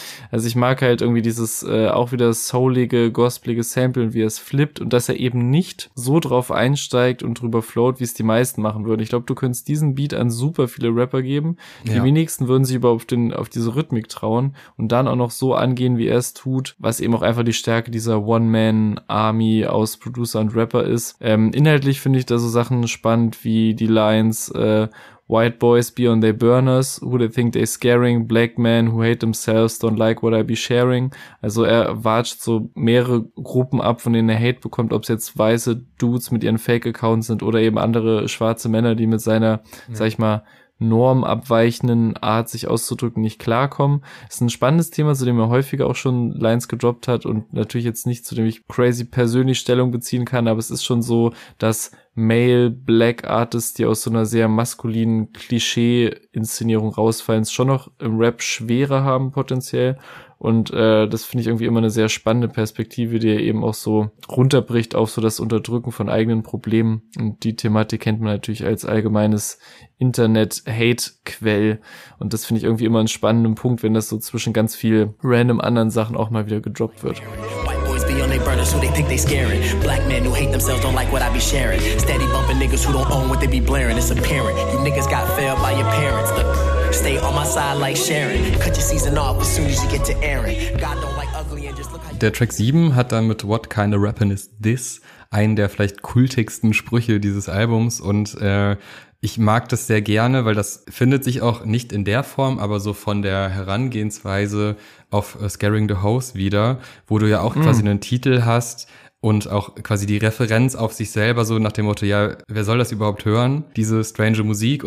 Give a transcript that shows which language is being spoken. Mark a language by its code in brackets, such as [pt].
[de] Also ich mag halt irgendwie dieses auch wieder soulige, gospelige Sample, wie es flippt und dass er eben nicht so drauf einsteigt und drüber float, wie es die meisten machen würden. Ich glaube, du könntest diesen Beat an super viele Rapper geben. Die wenigsten würden sich überhaupt auf diese Rhythmik trauen und dann auch noch so angehen, wie er es tut, was eben auch einfach die Stärke dieser One-Man-Army aus Producer und Rapper ist. Inhaltlich finde ich da so Sachen spannend wie die Lines [en] White boys be on their burners, who they think they scaring, black men who hate themselves don't like what I be sharing. [de] Also er watscht so mehrere Gruppen ab, von denen er Hate bekommt, ob es jetzt weiße Dudes mit ihren Fake-Accounts sind oder eben andere schwarze Männer, die mit seiner, sag ich mal, normabweichenden Art, sich auszudrücken, nicht klarkommen. Ist ein spannendes Thema, zu dem er häufiger auch schon Lines gedroppt hat und natürlich jetzt nicht, zu dem ich crazy persönlich Stellung beziehen kann, aber es ist schon so, dass Male Black Artists, die aus so einer sehr maskulinen Klischee-Inszenierung rausfallen, es schon noch im Rap schwerer haben potenziell. Und das finde ich irgendwie immer eine sehr spannende Perspektive, die ja eben auch so runterbricht auf so das Unterdrücken von eigenen Problemen. Und die Thematik kennt man natürlich als allgemeines Internet-Hate-Quell. Und das finde ich irgendwie immer einen spannenden Punkt, wenn das so zwischen ganz viel random anderen Sachen auch mal wieder gedroppt wird. [en] On they burners who they think they scaring. Black men who hate themselves don't like what I be sharing. Steady bumping niggas who don't own what they be blaring. It's apparent you niggas got failed by your parents. Look, stay on my side like Sharon. Cut your season off as soon as you get to Aaron. God don't like ugly and just look like. [de] Der Track 7 hat dann mit What Kind of Rapper Is This einen der vielleicht kultigsten Sprüche dieses Albums und ich mag das sehr gerne, weil das findet sich auch nicht in der Form, aber so von der Herangehensweise auf Scaring the Hoes wieder, wo du ja auch quasi einen Titel hast und auch quasi die Referenz auf sich selber so nach dem Motto, ja, wer soll das überhaupt hören, diese strange Musik?